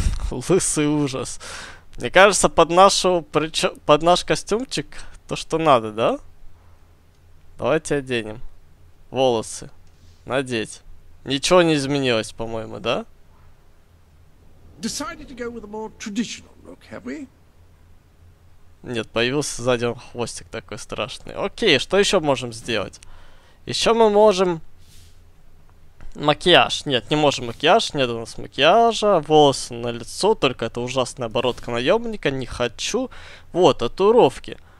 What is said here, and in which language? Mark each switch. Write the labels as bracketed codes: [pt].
[ru] Лысый ужас. Мне кажется, под наш костюмчик то, что надо, да? Давайте оденем. Волосы. Надеть. Ничего не изменилось, по-моему, да? [en] Decided to go with a more traditional look, have we? [ru] Нет, появился сзади он хвостик такой страшный. Окей, что еще можем сделать? Еще мы можем... Макияж. Нет, не можем макияж. Нет у нас макияжа. Волосы на лицо. Только это ужасная бородка наемника. Не хочу. Вот, татуировки.